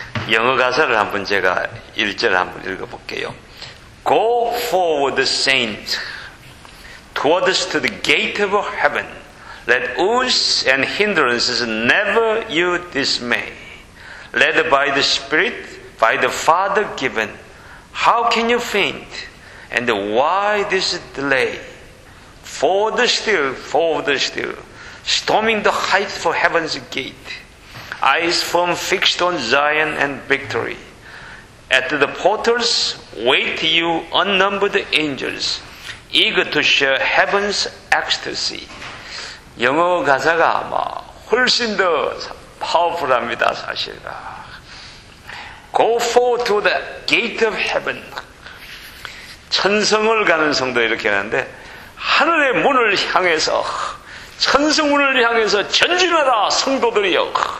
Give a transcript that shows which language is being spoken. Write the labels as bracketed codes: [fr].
[ko] 영어 가사를 한번 제가 1절 한번 읽어볼게요. [en] Go forward, saint, towards to the gate of heaven. Let oaths and hindrances never you dismay. Led by the Spirit, by the Father given, how can you faint? And why this delay? Forward still, storming the heights for heaven's gate. Eyes firm fixed on Zion and victory. At the portals wait you unnumbered angels, eager to share heaven's ecstasy. [ko] 영어 가사가 아마 훨씬 더 파워풀합니다, 사실. [en] Go forward to the gate of heaven. [ko] 천성을 가는 성도 이렇게 하는데, 하늘의 문을 향해서, 천성문을 향해서 전진하라, 성도들이여.